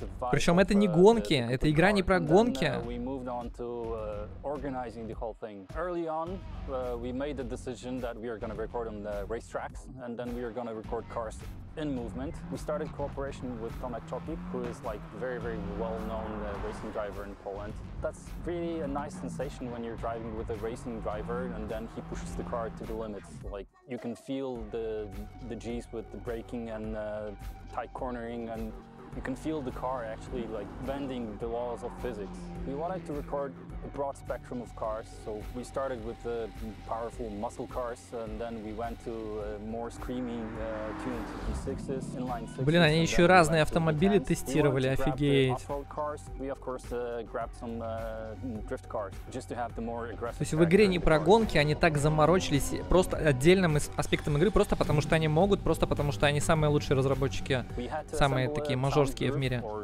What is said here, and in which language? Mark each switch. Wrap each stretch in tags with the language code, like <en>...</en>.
<ru>Причем это не гонки, это игра не про гонки.</ru> <en>We moved on to organizing the whole thing. Early on, we made the decision that we are going to record on the racetracks, and then we are going to record cars in movement. We started cooperation with Tomek Czopik, who is like very, very well known racing driver in Poland. That's really a nice sensation when you're driving with a racing driver and then he pushes the car to the limits. Like you can feel the G's with the braking and tight cornering, and you can feel the car actually like bending the laws of physics. We wanted to record a broad spectrum of cars, so we started with the powerful muscle cars, and then we went to more screaming tuned V6s, inline 6s.</en> <ru>Блин, они еще разные автомобили тестировали, офигеть.</ru> <en>We of course grabbed some drift cars just to have the more aggressive.</en> <ru>То есть в игре не про гонки, они так заморочились просто отдельным аспектом игры, просто потому что они могут, просто потому что они самые лучшие разработчики, самые такие мажорские в мире.</ru>